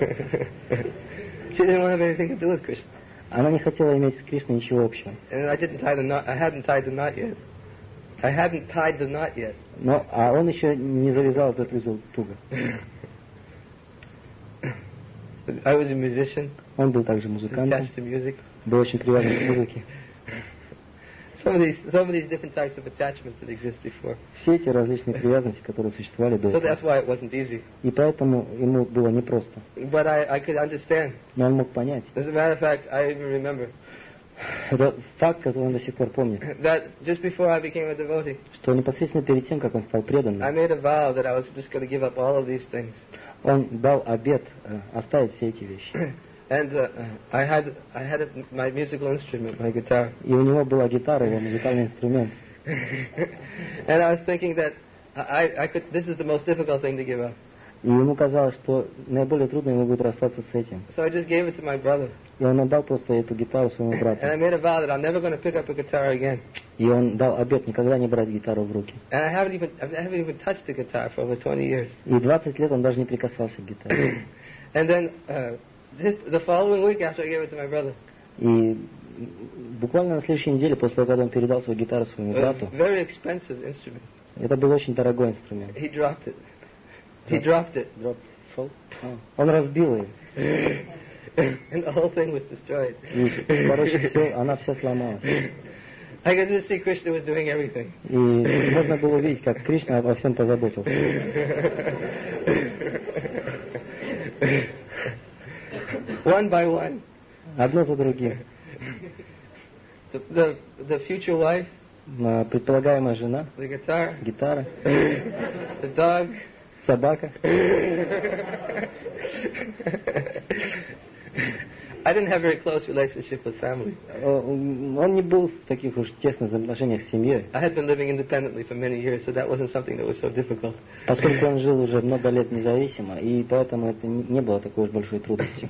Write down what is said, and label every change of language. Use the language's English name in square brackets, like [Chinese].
[English] She didn't want to have anything to do with Krishna. [Russian] Она не хотела иметь с Кришной ничего общего. [English] And I didn't tie the knot. I hadn't tied the knot yet. I hadn't tied the knot yet. [Russian] Но а он еще не завязал этот узел туго. [English] I was a musician. [Russian] Он был также музыкантом. [English] Attached to music. [Russian] Был очень привязан к музыке. [English] Some of these different types of attachments that exist before. [Russian] Все эти различные привязанности, которые существовали до этого. [English] So that's why it wasn't easy. [Russian] И поэтому ему было непросто. [English] But I could understand. [Russian] Но он мог понять. [English] As a matter of fact, I even remember. [Russian] Это факт, который он до сих пор помнит. [English] That just before I became a devotee. [Russian] Что непосредственно перед тем, как он стал преданным. [English] I made a vow that I was just going to give up all of these things. [Russian] Он дал обет оставить все эти вещи. [English] And I had my musical instrument, my guitar. [Russian] И у него была гитара, его музыкальный инструмент. [English] And I was thinking that I could. This is the most difficult thing to give up. [Russian] И ему казалось, что наиболее трудно ему будет расстаться с этим. [English] So I just gave it to my brother. [Russian] И он отдал просто эту гитару своему брату. [English] And I made a vow that I'm never going to pick up a guitar again. [Russian] И он дал обет никогда не брать гитару в руки. [English] And I haven't even touched a guitar for over 20 years. [Russian] И 20 лет он даже не прикасался к гитаре. [English] And then. Just the following week after I gave it to my brother. [Russian] И буквально на следующей неделе после того, как он передал свою гитару своему брату. [English] Very expensive instrument. [Russian] Это был очень дорогой инструмент. [English] He dropped it. He dropped it. Fall? Oh. [Russian] Он разбил ее. [English] And the whole thing was destroyed. [Russian] Короче, все, она вся сломалась. [English] I got to see Krishna was doing everything. [Russian] И можно было видеть, как Кришна обо всем позаботился. [English] One by one. [Russian] Одно за другим. [English] The future wife. [Russian] Предполагаемая жена. [English] The guitar. [Russian] Гитара. [English] The dog. [Russian] Собака. [English] I didn't have very close relationship with family. [Russian] Он не был в таких уж тесных отношениях с семьей. [English] I had been living independently for many years, so that wasn't something that was so difficult. [Russian] Поскольку он жил уже много лет независимо, и поэтому это не было такой уж большой трудностью.